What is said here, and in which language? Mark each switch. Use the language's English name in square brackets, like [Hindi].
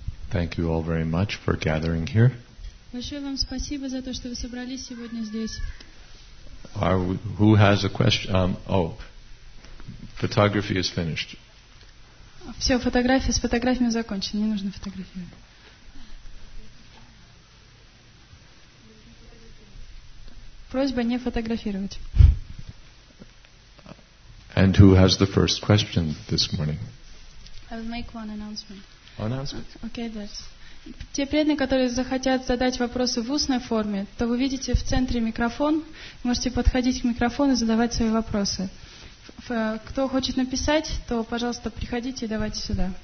[English] Thank you all very much for gathering here. [Russian] Большое вам спасибо за то, что вы собрались сегодня здесь. [English] Who has a question? Photography is finished. [Russian] Все, фотография с фотографиями закончена. Не нужно фотографии. Просьба не фотографировать. [English] And who has the first question this morning? I will make one announcement. Announcement? Okay, that's. [Russian] Те преданные, которые захотят задать вопросы в устной форме, то вы видите в центре микрофон. Можете подходить к микрофону и задавать свои вопросы. Кто хочет написать, то, пожалуйста, приходите и давайте сюда.